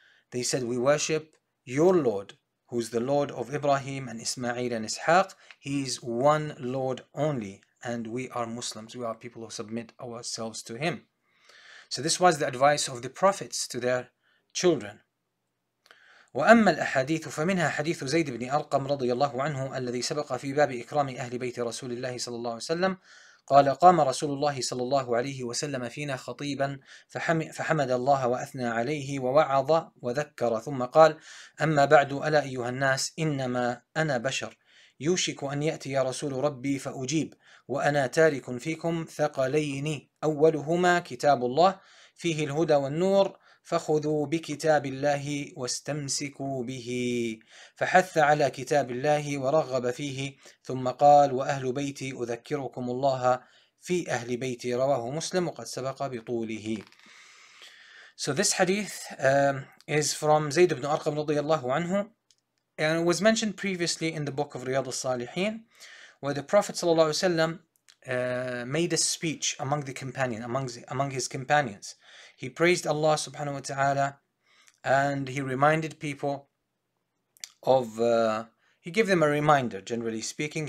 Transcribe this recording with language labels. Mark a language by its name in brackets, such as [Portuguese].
[English] They said, we worship your Lord, who is the Lord of Ibrahim and Ismail and Ishaq. He is one Lord only, and we are Muslims. We are people who submit ourselves to him. So this was the advice of the prophets to their children. [Arabic] وأما الأحاديث فمنها حديث زيد بن أرقم رضي الله عنه الذي سبق في باب إكرام أهل بيت رسول الله صلى الله عليه وسلم قال قام رسول الله صلى الله عليه وسلم فينا خطيبا فحمد الله وأثنى عليه ووعظ وذكر ثم قال أما بعد ألا أيها الناس إنما أنا بشر يوشك أن يأتي رسول ربي فأجيب وأنا تارك فيكم ثقلين أولهما كتاب الله فيه الهدى والنور فخذوا بكتاب الله واستمسكوا به فحث على كتاب الله ورغب فيه ثم قال وأهل بيتي أذكركم الله في أهل بيتي رواه مسلم وقد سبق بطوله. [English] So this hadith is from Zayd ibn Arqam رضي الله عنه, and it was mentioned previously in the book of Riyad al-Salihin, where the Prophet صلى الله عليه وسلم made a speech among the companion, among his companions. He praised Allah subhanahu wa ta'ala and he reminded people of, he gave them a reminder, generally speaking.